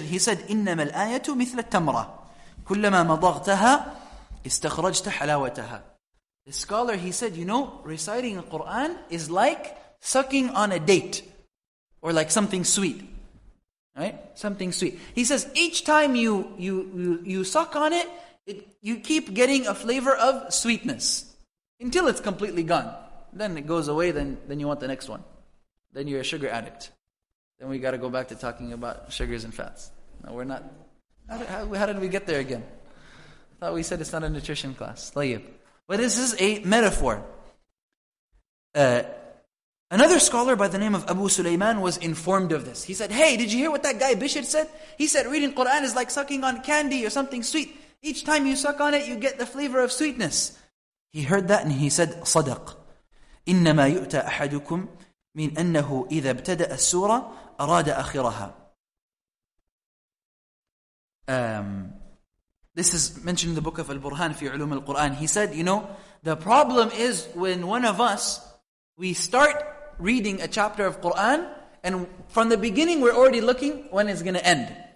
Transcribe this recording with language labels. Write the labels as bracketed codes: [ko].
[en] He said, [ar] إِنَّمَا الْآيَةُ مِثْلَ التَّمْرَةِ كُلَّمَا مَضَغْتَهَا إِسْتَخْرَجْتَ حَلَاوَتَهَا. [en] The scholar, he said, you know, reciting the Qur'an is like sucking on a date. Or like something sweet. Right? Something sweet. He says, each time you suck on it, you keep getting a flavor of sweetness. Until it's completely gone. Then it goes away, then you want the next one. Then you're a sugar addict. Then we got to go back to talking about sugars and fats. No, we're not. How did we get there again? I thought we said it's not a nutrition class. Tayyib. But this is a metaphor. Another scholar by the name of Abu Sulaiman was informed of this. He said, hey, did you hear what that guy Bishr said? He said, reading Quran is like sucking on candy or something sweet. Each time you suck on it, you get the flavor of sweetness. He heard that and he said, صدق. [ar] إنما يؤتى أحدكم من أنه إذا ابتدأ السورة أراد آخرها. [en] This is mentioned in the book of Al-Burhan في علوم القرآن. He said, you know, the problem is when one of us, we start reading a chapter of Qur'an, and from the beginning we're already looking when it's going to end.